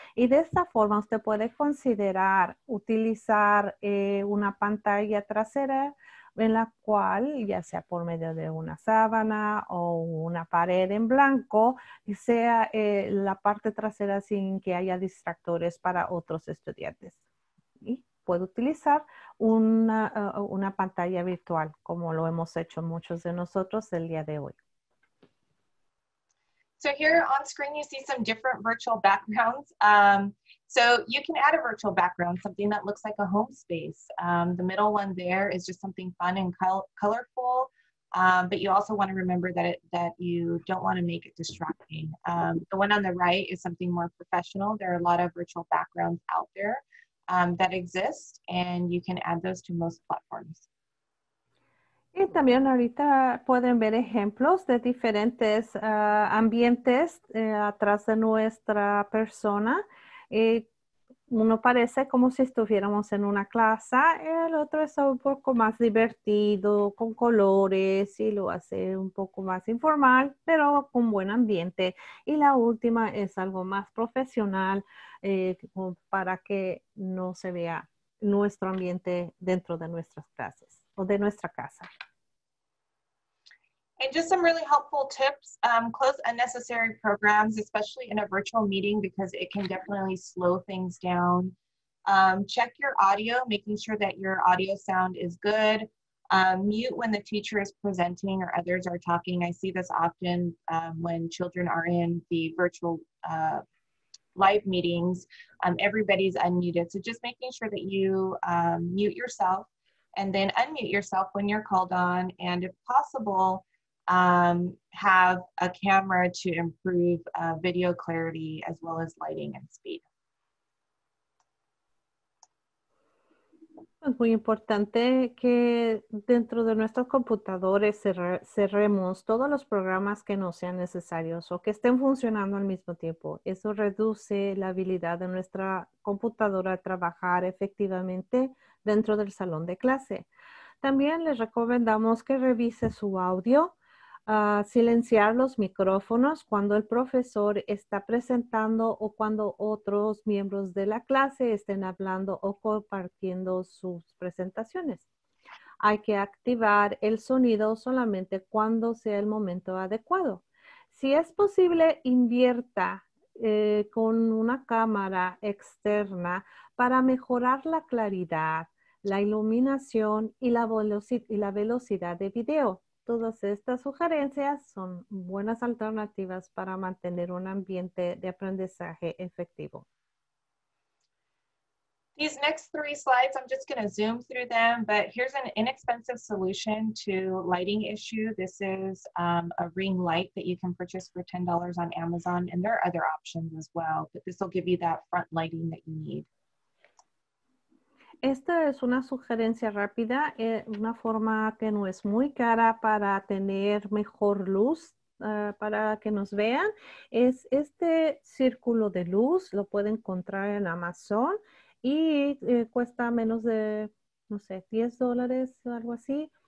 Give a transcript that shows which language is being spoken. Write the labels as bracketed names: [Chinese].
[Spanish] Y de esta forma usted puede considerar utilizar una pantalla trasera en la cual, ya sea por medio de una sábana o una pared en blanco, sea la parte trasera sin que haya distractores para otros estudiantes. Y puedo utilizar una pantalla virtual, como lo hemos hecho muchos de nosotros el día de hoy. [English] So here on screen, you see some different virtual backgrounds. So you can add a virtual background, something that looks like a home space. The middle one there is just something fun and colorful, but you also want to remember that you don't want to make it distracting. The one on the right is something more professional. There are a lot of virtual backgrounds out there that exist, and you can add those to most platforms. [Spanish] Y también ahorita pueden ver ejemplos de diferentes ambientes atrás de nuestra persona. Uno parece como si estuviéramos en una clase, el otro es un poco más divertido, con colores y lo hace un poco más informal, pero con buen ambiente. Y la última es algo más profesional para que no se vea nuestro ambiente dentro de nuestras clases. De nuestra casa. [English] And just some really helpful tips, close unnecessary programs, especially in a virtual meeting, because it can definitely slow things down. Check your audio, making sure that your audio sound is good. Mute when the teacher is presenting or others are talking. I see this often when children are in the virtual live meetings, everybody's unmuted. So just making sure that you mute yourself. And then unmute yourself when you're called on, and if possible, have a camera to improve video clarity as well as lighting and speed. [Spanish] Es muy importante que dentro de nuestros computadores cerremos todos los programas que no sean necesarios o que estén funcionando al mismo tiempo. Eso reduce la habilidad de nuestra computadora a trabajar efectivamente dentro del salón de clase. También les recomendamos que revise su audio, silenciar los micrófonos cuando el profesor está presentando o cuando otros miembros de la clase estén hablando o compartiendo sus presentaciones. Hay que activar el sonido solamente cuando sea el momento adecuado. Si es posible, invierta con una cámara externa para mejorar la claridad, la iluminación y la velocidad de video. Todas estas sugerencias son buenas alternativas para mantener un ambiente de aprendizaje efectivo. [English] These next three slides, I'm just going to zoom through them, but here's an inexpensive solution to lighting issue. This is a ring light that you can purchase for $10 on Amazon, and there are other options as well, but this will give you that front lighting that you need. [Spanish] Esta es una sugerencia rápida, una forma que no es muy cara para tener mejor luz para que nos vean. Es este círculo de luz, lo pueden encontrar en Amazon y cuesta menos de, no sé, $10 o algo así.